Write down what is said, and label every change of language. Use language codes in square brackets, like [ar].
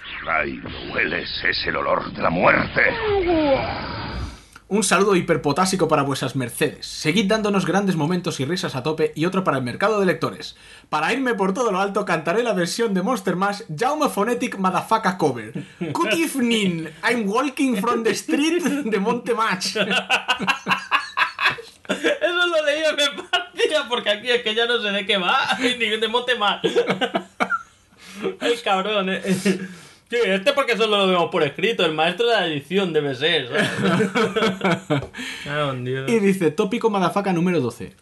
[es] Ray, lo hueles, es el olor de la muerte. Un saludo hiperpotásico para vuesas mercedes. Seguid dándonos grandes momentos y risas a tope y otro para el mercado de lectores. Para irme por todo lo alto, cantaré la versión de Monster Mash, Jaume Phonetic Motherfucker Cover. [en] Good evening, I'm walking from the street de Monte Mash. [es] Eso lo leí en mi partida, porque aquí es que ya no sé de qué va, ni de Monte Mash. Ay, cabrón, Sí, este porque solo lo vemos por escrito. El maestro de la edición debe ser, ¿sabes? Oh, Dios. Y dice, tópico madafaka número 12.